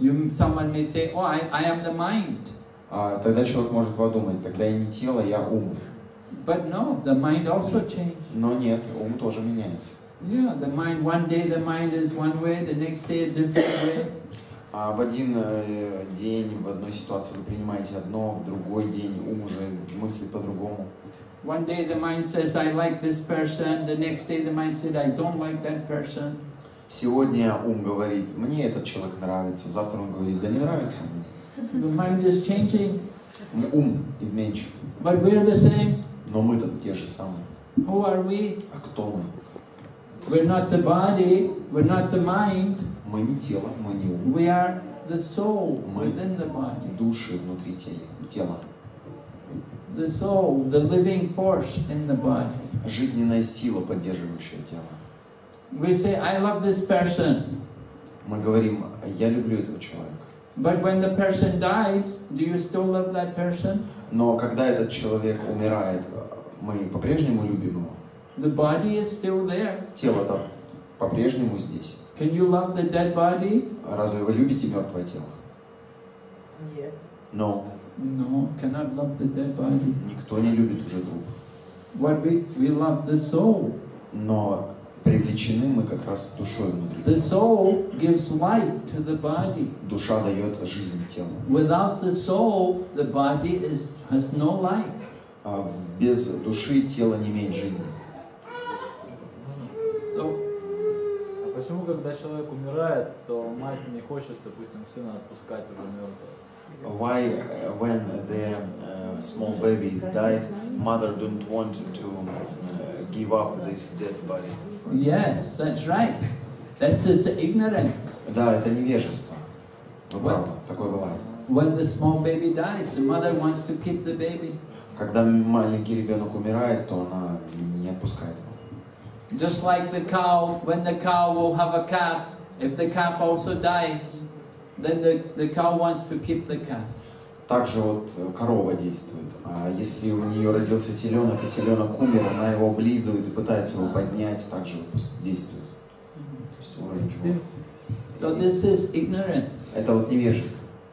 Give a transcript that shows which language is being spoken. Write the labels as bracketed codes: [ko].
[en] Someone may say, "Oh, I am the mind." [ru] Тогда человек может подумать, тогда я не тело, я ум. [en] But no, the mind also changes. [ru] Но нет, ум тоже меняется. [en] Yeah, the mind. One day the mind is one way, the next day a different way. [ru] А в один день, в одной ситуации вы принимаете одно, в другой день ум уже мыслит по-другому. [en] One day the mind says, I like this person. The next day the mind says, I don't like that person. [ru] Сегодня ум говорит, мне этот человек нравится. Завтра он говорит, да не нравится он мне. [en] The mind is changing. [ru] Ум изменчив. [en] But we are the same. [ru] Но мы-то те же самые. [en] Who are we? [ru] А кто мы? [en] We're not the body. We're not the mind. [ru] Мы не тело, мы не ум. [en] We are the soul within the body. [ru] Мы души внутри тела. [en] The soul, the living force in the body. [ru] Жизненная сила, поддерживающая тело. [en] We say, I love this person. [ru] Мы говорим, я люблю этого человека. [en] But when the person dies, do you still love that person? [ru] Но когда этот человек умирает, мы по-прежнему любим его. [en] The body is still there. [ru] Тело-то по-прежнему здесь. [en] Can you love the dead body? [ru] Разве вы любите мертвое тело? Нет. [en] No. No, cannot love the dead body. [ru] Никто не любит уже труп. [en] What we love the soul. [ru] Но привлечены мы как раз душой внутри. [en] The soul gives life to the body. [ru] Душа дает жизнь телу. [en] Without the soul, the body has no life. [ru] А без души тело не имеет жизни. [en] So. [ru] А почему, когда человек умирает, то мать не хочет, допустим, сына отпускать уже мертвого? [en] Why, when the small baby is died, mother don't want to give up this dead body? Yes, that's right. This is ignorance. [ru] Да, это невежество. Бывало, такое бывает. [en] When the small baby dies, the mother wants to keep the baby. [ru] Когда маленький ребенок умирает, то она не отпускает его. [en] Just like the cow, when the cow will have a calf, If the calf also dies, then the cow wants to keep the calf. [ru] Также вот корова действует. А если у нее родился теленок и теленок умер, она его облизывает и пытается его поднять, также вот действует. То есть уровень его. [en] So this is ignorance. [ru] Это вот невежество.